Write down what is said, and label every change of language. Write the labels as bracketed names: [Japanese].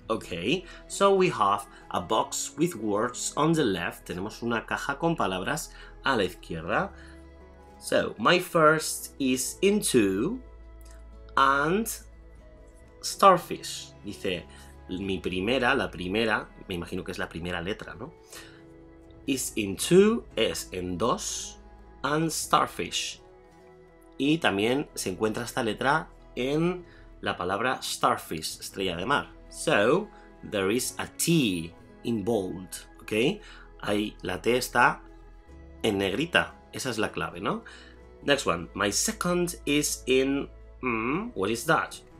[English] Okay, so we have a box with words on the left. [Spanish] Tenemos una caja con palabras a la izquierda. [English] So, my first is into and starfish. [Spanish] Dice, la primera, me imagino que es la primera letra, ¿no? [English] Is into, [Spanish] es en dos, [English] and starfish. [Spanish] Y también se encuentra esta letra en la palabra starfish, estrella de mar. [English] So, there is a T in bold, ¿ok? [Spanish] Ahí la T está en negrita, esa es la clave, ¿no? [English] Next one, my second is in, what is that?